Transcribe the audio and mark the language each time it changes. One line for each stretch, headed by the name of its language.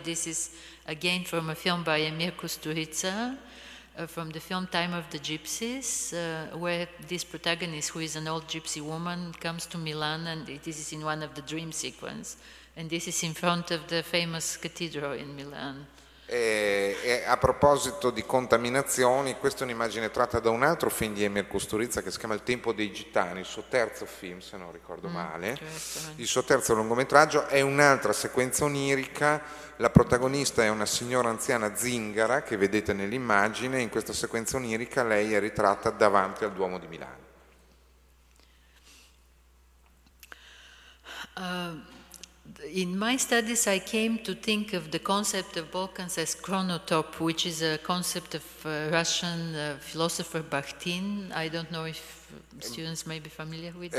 English: This is again from a film by Emir Kusturica, from the film Time of the Gypsies, where this protagonist, who is an old gypsy woman, comes to Milan, and this is in one of the dream sequences. And this is in front of the famous cathedral in Milan.
Italian: E a proposito di contaminazioni, questa è un'immagine tratta da un altro film di Emir Kusturica che si chiama Il tempo dei gitani, il suo terzo film, se non ricordo male, il suo terzo lungometraggio. È un'altra sequenza onirica, la protagonista è una signora anziana zingara che vedete nell'immagine. In questa sequenza onirica lei è ritratta davanti al Duomo di Milano.
English: In my studies, I came to think of the concept of Balkans as chronotope, which is a concept of Russian philosopher Bakhtin. I don't know if students may be familiar with it.